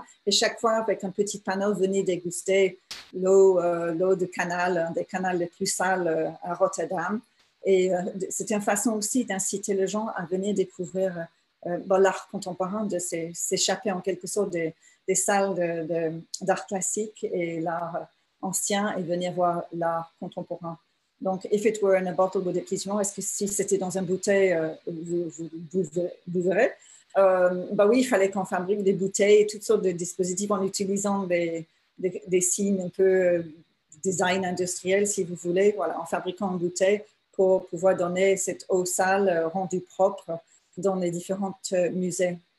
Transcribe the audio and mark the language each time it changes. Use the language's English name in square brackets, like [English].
[French] Et chaque fois, avec un petit panneau, venez déguster l'eau du canal, un des canaux les plus sales à Rotterdam. Et c'est une façon aussi d'inciter les gens à venir découvrir l'art contemporain, de s'échapper en quelque sorte des salles d'art classique et l'art ancien et venir voir l'art contemporain. [English] Donc, if it were in a bottle, would it please you? [French] Est-ce que si c'était dans une bouteille, vous verrez? Bah oui, il fallait qu'on fabrique des bouteilles et toutes sortes de dispositifs en utilisant des signes un peu design industriel, si vous voulez, voilà, en fabriquant une bouteille pour pouvoir donner cette eau sale rendue propre dans les différents musées.